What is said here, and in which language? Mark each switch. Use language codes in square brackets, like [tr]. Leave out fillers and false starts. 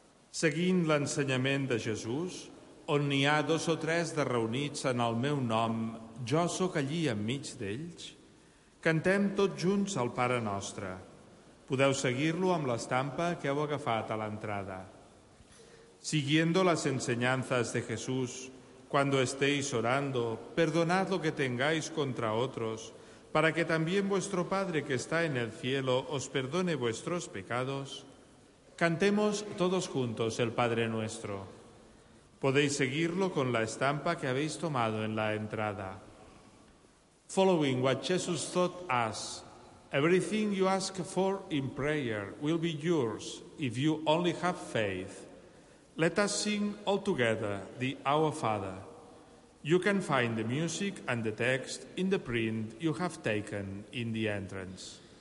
[ca] Seguint l'ensenyament de Jesús, on n'hi ha dos o tres de reunits en el meu nom, jo sóc allí enmig d'ells, cantem tots junts el Pare Nostre. Podeu seguir-lo amb l'estampa que heu agafat a l'entrada. [es] Siguiendo las enseñanzas de Jesús, cuando estéis orando, perdonad lo que tengáis contra otros, para que también vuestro Padre que está en el cielo os perdone vuestros pecados, cantemos todos juntos el Padre Nuestro. Podéis seguirlo con la estampa que habéis tomado en la entrada. [en] Following what Jesus taught us, everything you ask for in prayer will be yours if you only have faith. Let us sing all together the Our Father. You can find the music and the text in the print you have taken in the entrance.